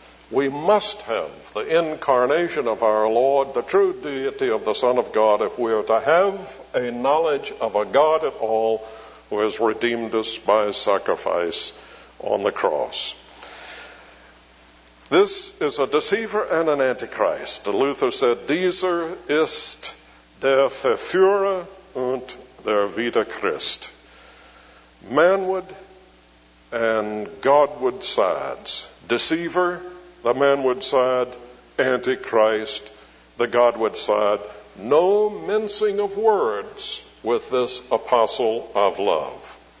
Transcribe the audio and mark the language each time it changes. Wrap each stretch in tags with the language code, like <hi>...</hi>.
<en>We must have the incarnation of our Lord, the true deity of the Son of God, if we are to have a knowledge of a God at all who has redeemed us by his sacrifice on the cross. This is a deceiver and an antichrist. Luther said,</en> <de>Dieser ist der Verführer und der Wider Christ.</de> <en>Manward and Godward sides. Deceiver the man would side, Antichrist. The God would side, no mincing of words with this apostle of love.</en>